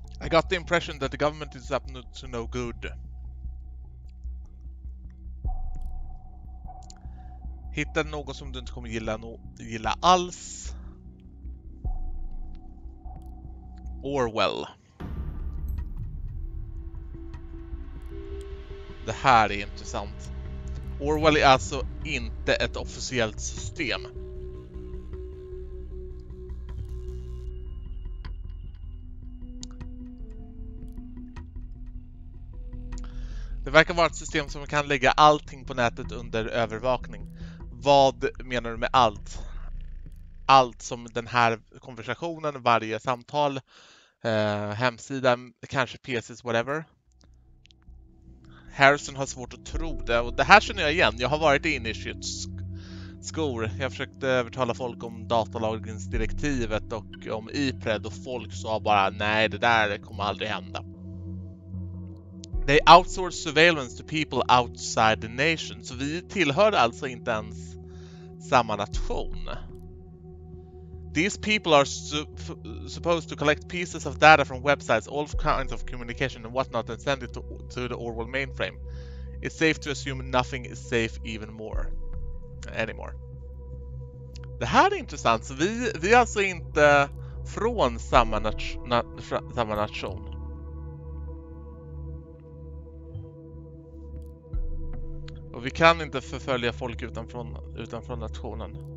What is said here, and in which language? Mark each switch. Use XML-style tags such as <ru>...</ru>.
<en>Got the impression that the government is up to no good.</en> <sv>Hitta någon som du inte kommer gilla alls. Orwell. Det här är intressant. Orwell är alltså inte ett officiellt system. Det verkar vara ett system som kan lägga allting på nätet under övervakning. Vad menar du med allt? Allt som den här konversationen, varje samtal, hemsidan, kanske PCs, whatever. Harrison har svårt att tro det. Och det här känner jag igen. Jag har varit i Initiates skor. Jag försökte övertala folk om datalagringsdirektivet och om IPRED och folk sa bara nej, det där kommer aldrig hända.</sv> <en>They outsource surveillance to people outside the nation.</en> <sv>Så vi tillhör alltså inte ens samma nation.</sv> <en>These people are supposed to collect pieces of data from websites, all kinds of communication and whatnot, and send it to the Orwell mainframe. It's safe to assume nothing is safe even more. Anymore.</en> <sv>Det här är intressant. Så vi är alltså inte från samma nation. Och vi kan inte förfölja folk utanför nationen.</sv>